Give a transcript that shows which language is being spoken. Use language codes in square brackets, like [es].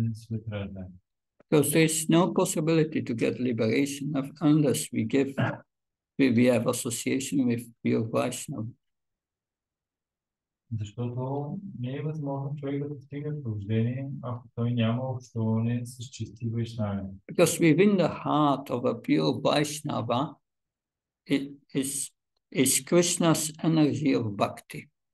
[en] Because there is no possibility to get liberation unless we give, we have association with pure Vaishnava. [bg] Защото не е възможно човек да достигне пробуждение, ако той няма общуване с чисти Вайшнави. [en] Because within the heart of a pure Vaishnava, it is Krishna's energy of bhakti.